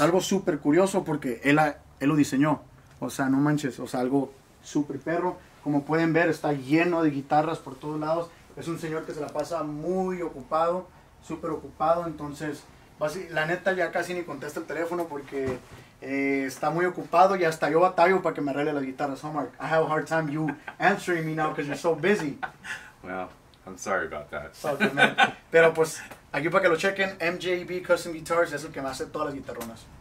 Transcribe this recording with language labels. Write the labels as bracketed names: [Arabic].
[Spanish] algo súper curioso porque él lo diseñó. O sea, no manches, o sea, algo súper perro. Como pueden ver, está lleno de guitarras por todos lados. Es un señor que se la pasa muy ocupado, súper ocupado. Entonces, la neta ya casi ni contesta el teléfono porque está muy ocupado y hasta yo batallo para que me arregle la guitarra. [English] So, Mark, I have a hard time you answering me now because you're so busy. Well, I'm sorry about that. So, man. [Spanish] Pero pues, aquí para que lo chequen, MJB Custom Guitars es el que me hace todas las guitarronas.